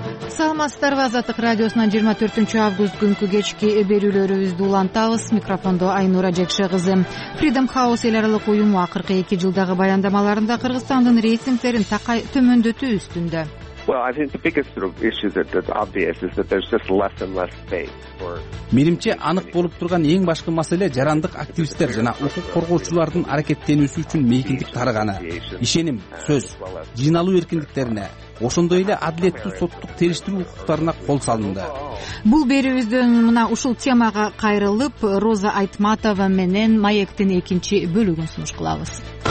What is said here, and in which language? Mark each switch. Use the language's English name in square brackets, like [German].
[Kyrgyz] Саламатсыздарбы, Азаттык радиосунан 24 август күнкү кечки берүүлөрүбүздү улантабыз. Микрофондо Айнура Жекше кызы. Freedom House эл аралык уюму акыркы 2 жылдагы баяндамаларында Кыргызстандын рейтингдерин такай төмөндөтүү үстүндө. [English] Well, I think the biggest sort of issue that's obvious is that there's just less and less space for [Kyrgyz] Менимче анык болуп турган эң башкы маселе жарандык активисттер жана укук коргоочулардын аракеттенүүсү үчүн мейкиндик тарыганы. Ишеним, сөз, жыйналуу эркиндиктерине ошондой эле адилеттүү соттук териштирүү укуктарына кол салынды. Бул берүүбүздөн мына ушул темага кайрылып, Роза Айтматова менен маектин экинчи бөлүгүн сунуш кылабыз.